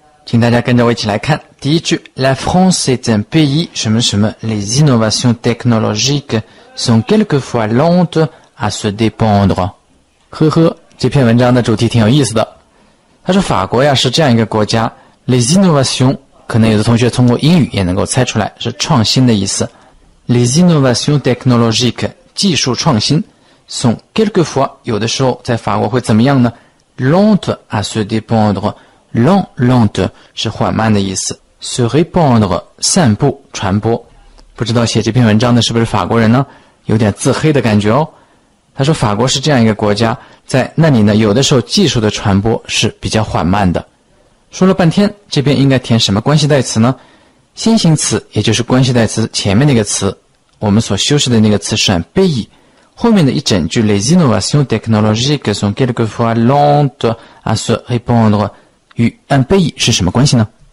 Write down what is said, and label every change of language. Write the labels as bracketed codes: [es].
[zh] 请大家跟着我一起来看。第一句, [fr] la France est un pays, [zh] 什么什么, [fr] les innovations technologiques sont quelquefois lentes à se dépendre. [zh] 呵呵, 这篇文章的主题挺有意思的。他说法国呀是这样一个国家, les innovations, 可能有的同学通过英语也能够猜出来, 是创新的意思。 [fr] Les innovations technologiques, [zh] 技术创新, [fr] sont quelquefois, [zh] 有的时候在法国会怎么样呢? [fr] Lentes à se dépendre, lente, [zh] 是缓慢的意思。 Se répandre, 散布, 传播。不知道写这篇文章的是不是法国人呢? 有点自黑的感觉哦。他说法国是这样一个国家, 在那里呢, 有的时候技术的传播是比较缓慢的。说了半天, 这边应该填什么关系代词呢?先行词, 也就是关系代词前面那个词, 我们所修饰的那个词是很悲意, 后面的一整句, [fr] Les innovations technologiques sont quelquefois lentes à se répandre, [zh] 与 [fr] un pays [zh] 是什么关系呢?